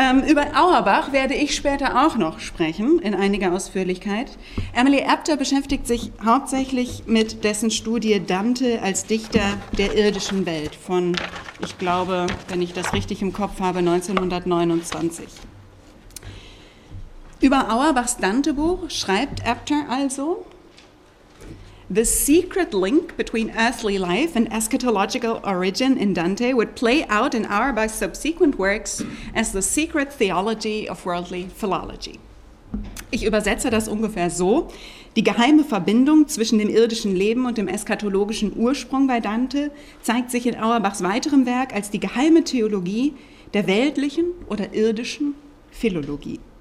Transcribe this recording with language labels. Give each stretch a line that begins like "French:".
German: Über Auerbach werde ich später auch noch sprechen, in einiger Ausführlichkeit. Emily Apter beschäftigt sich hauptsächlich mit dessen Studie Dante als Dichter der irdischen Welt von, ich glaube, wenn ich das richtig im Kopf habe, 1929. Über Auerbachs Dantebuch schreibt Apter also:
English: The secret link between earthly life and eschatological origin in Dante would play out in Auerbach's subsequent works as the secret theology of worldly philology.
German: Ich übersetze das ungefähr so: Die geheime Verbindung zwischen dem irdischen Leben und dem eschatologischen Ursprung bei Dante zeigt sich in Auerbachs weiterem Werk als die geheime Theologie der weltlichen oder irdischen Philologie.